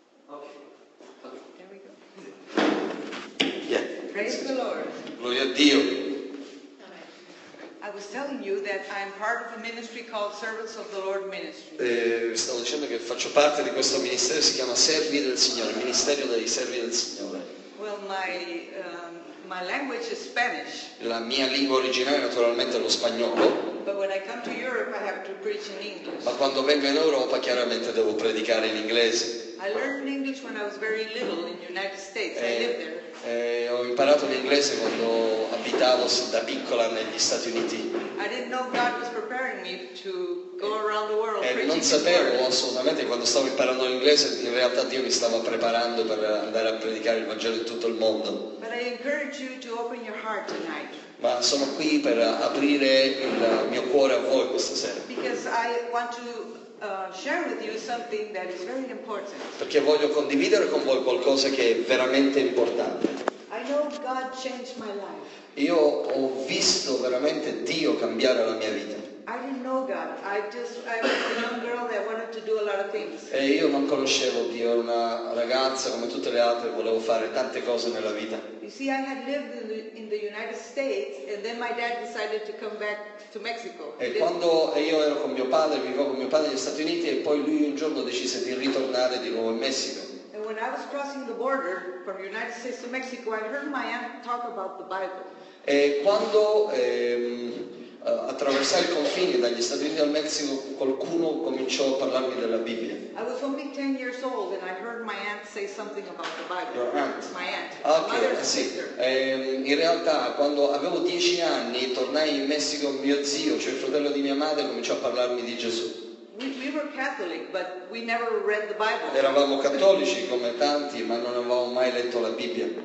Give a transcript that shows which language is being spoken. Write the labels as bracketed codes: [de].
[en] Okay. Yeah. Praise the Lord. [it] Gloria a Dio. [en] I was telling you that I am part of a ministry called Servants of the Lord Ministry. [it] Stavo dicendo che faccio parte di questo ministero, si chiama Servi del Signore, Ministero dei Servi del Signore. [en] Well, my language is Spanish. [it] La mia lingua originale naturalmente è lo spagnolo. [en] But when I come to Europe, I have to preach in English. [it] Ma quando vengo in Europa chiaramente devo predicare in inglese. [en] I learned English when I was very little in the United States. I lived there. [it] Ho imparato l'inglese quando abitavo da piccola negli Stati Uniti. [en] I didn't know God was preparing me to go around the world. [it] Non sapevo assolutamente, quando stavo imparando l'inglese, in realtà Dio mi stava preparando per andare a predicare il Vangelo in tutto il mondo. [en] But I encourage you to open your heart tonight. [it] Ma sono qui per aprire il mio cuore a voi questa sera. [en] Because I want to share with you something that is very important. [it] Perché voglio condividere con voi qualcosa che è veramente importante. [en] I know God changed my life. [it] Io ho visto veramente Dio cambiare la mia vita. [en] I didn't know God. I was a young girl that wanted to do a lot of things. [it] E io non conoscevo Dio, una ragazza come tutte le altre, volevo fare tante cose nella vita. [en] You see, I had lived in the United States, and then my dad decided to come back to Mexico. [it] E io ero con mio padre, vivevo con mio padre negli Stati Uniti, e poi lui un giorno decise di ritornare di nuovo in Messico. [en] And when I was crossing the border from the United States to Mexico, I heard my aunt talk about the Bible. [it] E quando attraversare il confine dagli Stati Uniti al Messico, qualcuno cominciò a parlarmi della Bibbia. [en] I was only 10 years old and I heard my aunt say something about the Bible. Your aunt. My aunt. Okay, my mother's [it] sì. [en] Sister. [it] In realtà quando avevo 10 anni tornai in Messico, mio zio, cioè il fratello di mia madre, cominciò a parlarmi di Gesù. [en] We were Catholic, but we never read the Bible. [it] Eravamo cattolici come tanti, ma non avevamo mai letto la Bibbia.